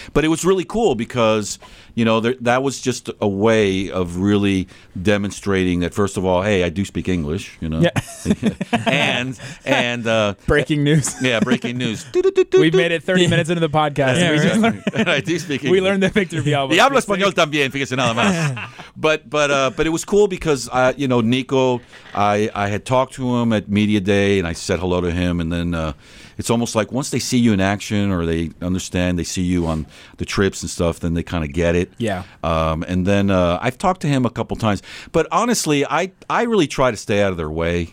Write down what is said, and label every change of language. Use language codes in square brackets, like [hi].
[en] But it was really cool because, you know, that was just a way of really demonstrating that, first of all, hey, I do speak English, you know. Yeah. and breaking news. Yeah, breaking. News. We've made it 30 minutes into the podcast. Yeah, we right. I do speak English. We learned that Victor Villalba. [es] Y hablo español también, fíjese nada más. [en] But it was cool because you know, Nico, I had talked to him at Media Day and I said hello to him, and then it's almost like once they see you in action or they understand, they see you on the trips and stuff, then they kind of get it. Yeah. And then I've talked to him a couple times. But honestly, I really try to stay out of their way.